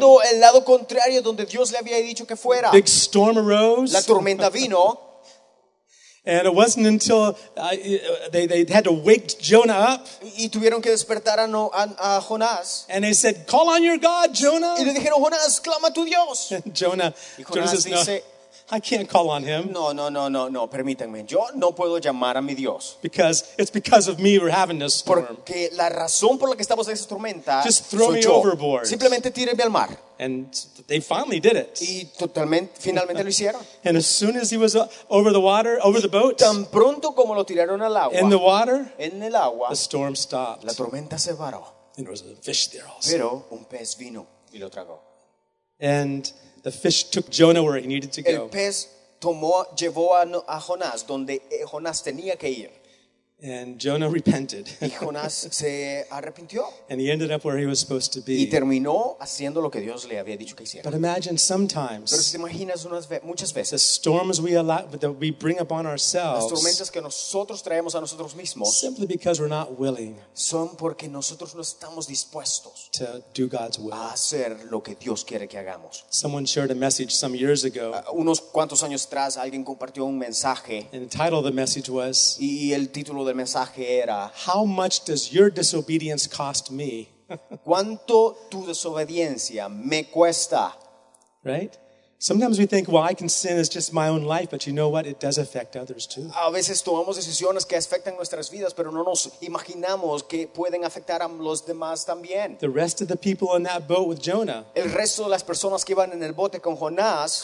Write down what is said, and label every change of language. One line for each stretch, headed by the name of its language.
Spanish: Yendo el lado contrario donde Dios le había dicho que fuera.
English: Big storm arose.
Spanish: La tormenta vino.
English: And it wasn't until they had to wake Jonah up.
Spanish: Y tuvieron que despertar a Jonás.
English: And they said, "Call on your God, Jonah."
Spanish: Y le dijeron, "Jonás, clama a tu Dios."
English: Jonah says, "No,
Spanish: dice,
English: I can't call on him."
Spanish: No, permítanme. Yo no puedo llamar a mi Dios.
English: Because it's because of me we're having this storm.
Spanish: Porque la razón por la que estamos en esta tormenta.
English: Just throw me overboard.
Spanish: Simplemente tíreme al mar.
English: And they finally did it.
Spanish: Y totalmente, finalmente lo hicieron.
English: And as soon as he was over the water, over the boat,
Spanish: tan pronto como lo tiraron al agua,
English: in the water,
Spanish: en el agua,
English: the storm stopped.
Spanish: La tormenta se paró.
English: And there was a fish there also.
Spanish: Pero un pez vino y lo tragó.
English: And the fish took Jonah where he needed to go.
Spanish: El pez llevó a Jonás donde Jonás tenía que ir.
English: And Jonah repented.
Spanish: Y Jonás se arrepintió.
English: And he ended up where he was supposed to be.
Spanish: Y terminó haciendo lo que Dios le había dicho que hiciera.
English: But imagine sometimes.
Spanish: Pero si imaginas unas muchas veces.
English: The storms we allow, that we bring upon ourselves.
Spanish: Las tormentas que nosotros traemos a nosotros mismos.
English: Simply because we're not willing.
Spanish: Son porque nosotros no estamos dispuestos.
English: To do God's will.
Spanish: A hacer lo que Dios quiere que hagamos.
English: Someone shared a message some years ago.
Spanish: Unos cuantos años atrás alguien compartió un mensaje.
English: And the title of the message was.
Spanish: Y el título del mensaje era,
English: how much does your disobedience cost me?
Spanish: ¿Cuánto tu desobediencia me cuesta?
English: Right? Sometimes we think, well, I can sin, it's just my own life, but you know what? It does affect others too.
Spanish: A veces tomamos decisiones que afectan nuestras vidas, pero no nos imaginamos que pueden afectar a los demás también.
English: The rest of the people in that boat with Jonah.
Spanish: El resto de las personas que iban en el bote con Jonás